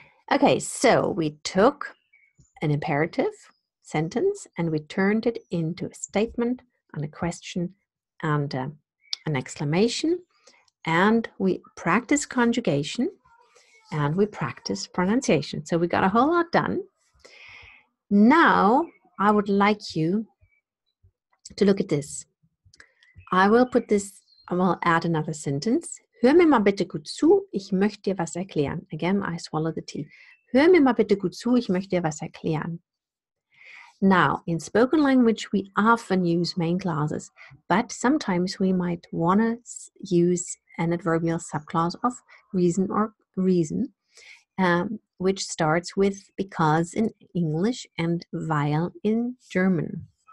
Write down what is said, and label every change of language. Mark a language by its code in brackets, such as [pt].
[en] Okay, so we took an imperative sentence and we turned it into a statement and a question and an exclamation, and we practice conjugation and we practice pronunciation. So we got a whole lot done. Now I would like you to look at this. I will put this, I will add another sentence. [de] Hör mir mal bitte gut zu, ich möchte dir was erklären. [en] Again, I swallow the tea. [de] Hör mir mal bitte gut zu, ich möchte dir was erklären. [en] Now, in spoken language, we often use main clauses, but sometimes we might want to use an adverbial subclause of reason or reason, which starts with because in English and weil in German.